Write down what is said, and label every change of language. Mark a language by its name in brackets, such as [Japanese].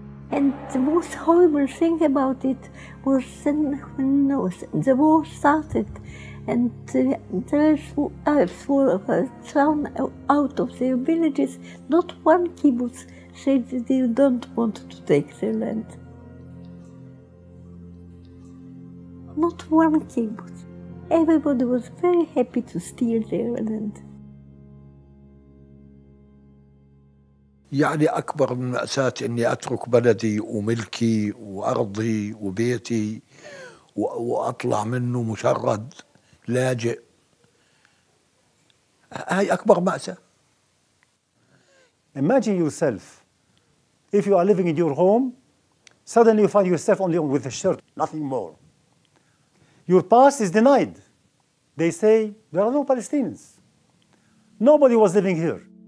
[English] And the most horrible thing about it was when the war started and the Arabs were thrown out of their villages, not one kibbutz said that they don't want to take their land. Not one kibbutz. Everybody was very happy to steal their land. [Arabic] يعني أكبر من مأساة أني أترك بلدي وملكي وأرضي وبيتي وأطلع منه مشرد لاجئ هاي أكبر مأساة. [English] Imagine yourself if you are living in your home, suddenly you find yourself only with a shirt, nothing more. Your past is denied. They say there are no Palestinians. Nobody was living here.